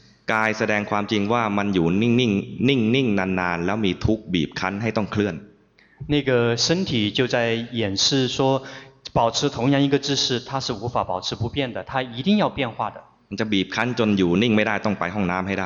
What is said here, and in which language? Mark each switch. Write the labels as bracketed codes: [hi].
[th] กายแสดงความจริงว่ามันอยู่นิ่งนิ่งนิ่งนิ่งนานนานแล้วมีทุกข์บีบคั้นให้ต้องเคลื่อน [zh] 那个身体就在掩饰说保持同样一个姿势它是无法保持不变的它一定要变化的 [th] มันจะบีบคั้นจนอยู่นิ่งไม่ได้ต้องไปห้องน้ำให้ได